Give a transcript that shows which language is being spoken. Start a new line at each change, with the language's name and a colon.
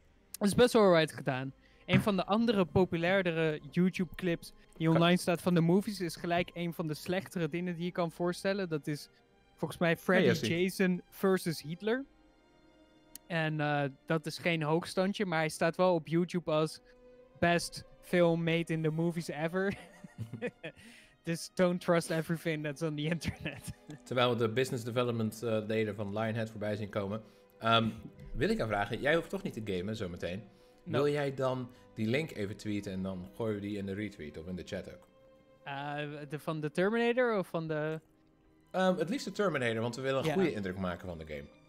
Dutch: Dat is best wel alright gedaan. Een van de andere populairdere YouTube clips die online staat van The Movies is gelijk een van de slechtere dingen die je kan voorstellen. Dat is volgens mij Freddy Jason versus Hitler. En dat is geen hoogstandje, maar hij staat wel op YouTube als best film made in the movies ever.
English: Dus don't trust everything that's on the internet.
Dutch: Terwijl we de business development leden van Lionhead voorbij zien komen. Wil ik aan vragen, jij hoeft toch niet te gamen zometeen. Nope. Wil jij dan die link even tweeten en dan gooien we die in de retweet of in de chat ook? Van de Terminator of van de... Het liefst de Terminator, want we willen een goede indruk maken van de game.